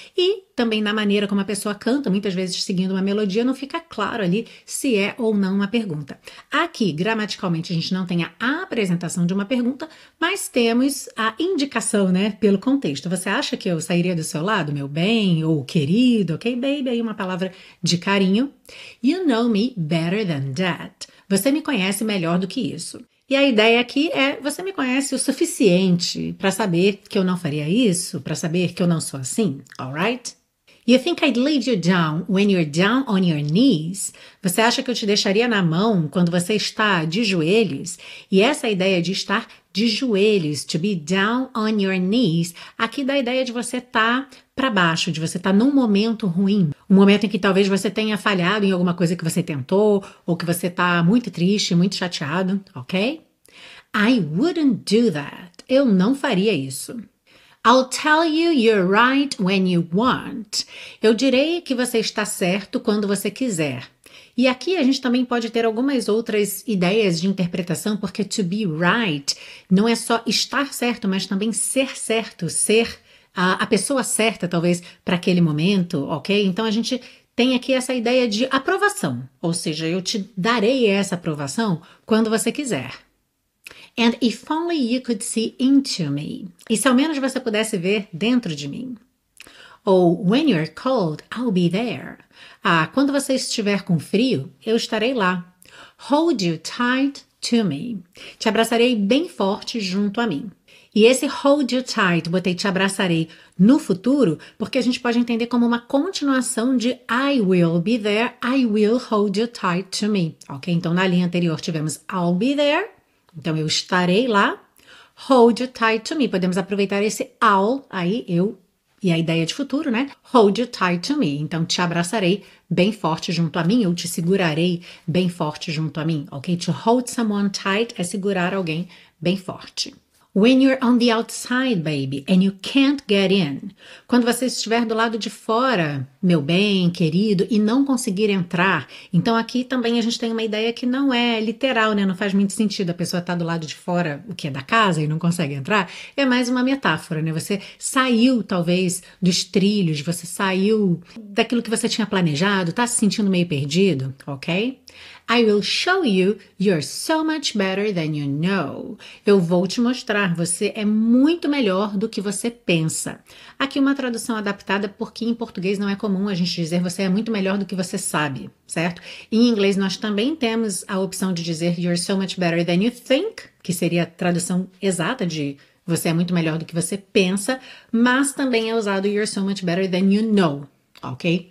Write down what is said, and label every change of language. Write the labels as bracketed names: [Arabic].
[Portuguese] E também na maneira como a pessoa canta, muitas vezes seguindo uma melodia, não fica claro ali se é ou não uma pergunta. Aqui, gramaticalmente, a gente não tem a apresentação de uma pergunta, mas temos a indicação, né, pelo contexto. Você acha que eu sairia do seu lado, meu bem, ou querido, ok, baby? Aí uma palavra de carinho. [English] You know me better than that. [Portuguese] Você me conhece melhor do que isso. E a ideia aqui é, você me conhece o suficiente para saber que eu não faria isso, para saber que eu não sou assim, alright? [English] You think I'd lead you down when you're down on your knees? [Portuguese] Você acha que eu te deixaria na mão quando você está de joelhos? E essa ideia de estar de joelhos, [English] to be down on your knees, [Portuguese] aqui dá a ideia de você estar para baixo, de você estar num momento ruim, um momento em que talvez você tenha falhado em alguma coisa que você tentou, ou que você está muito triste, muito chateado, ok? [English] I wouldn't do that. [Portuguese] Eu não faria isso. [English] I'll tell you you're right when you want. [Portuguese] Eu direi que você está certo quando você quiser. E aqui a gente também pode ter algumas outras ideias de interpretação, porque [English] to be right [Portuguese] não é só estar certo, mas também ser certo, ser a pessoa certa, talvez, para aquele momento, ok? Então, a gente tem aqui essa ideia de aprovação, ou seja, eu te darei essa aprovação quando você quiser. [English] And if only you could see into me. [Portuguese] E se ao menos você pudesse ver dentro de mim. [English] Ou when you're cold, I'll be there. [Portuguese] Ah, quando você estiver com frio, eu estarei lá. [English] Hold you tight to me. [Portuguese] Te abraçarei bem forte junto a mim. E esse [English] hold you tight, [Portuguese] botei te abraçarei no futuro, porque a gente pode entender como uma continuação de [English] I will be there, I will hold you tight to me. [Portuguese] Ok, então na linha anterior tivemos [English] I'll be there. [Portuguese] Então, eu estarei lá, [English] hold you tight to me. [Portuguese] Podemos aproveitar esse I'll, aí eu e a ideia de futuro, né? [English] Hold you tight to me. [Portuguese] Então, te abraçarei bem forte junto a mim, eu te segurarei bem forte junto a mim, ok? [English] To hold someone tight [Portuguese] é segurar alguém bem forte. [English] When you're on the outside, baby, and you can't get in. [Portuguese] Quando você estiver do lado de fora, meu bem, querido, e não conseguir entrar. Então, aqui também a gente tem uma ideia que não é literal, né? Não faz muito sentido a pessoa estar do lado de fora, o que é da casa, e não consegue entrar. É mais uma metáfora, né? Você saiu, talvez, dos trilhos, você saiu daquilo que você tinha planejado, tá se sentindo meio perdido, ok? [English] I will show you you're so much better than you know. [Portuguese] Eu vou te mostrar, você é muito melhor do que você pensa. Aqui uma tradução adaptada porque em português não é comum a gente dizer você é muito melhor do que você sabe, certo? Em inglês nós também temos a opção de dizer [English] you're so much better than you think, [Portuguese] que seria a tradução exata de você é muito melhor do que você pensa, mas também é usado [English] you're so much better than you know, [Portuguese] ok?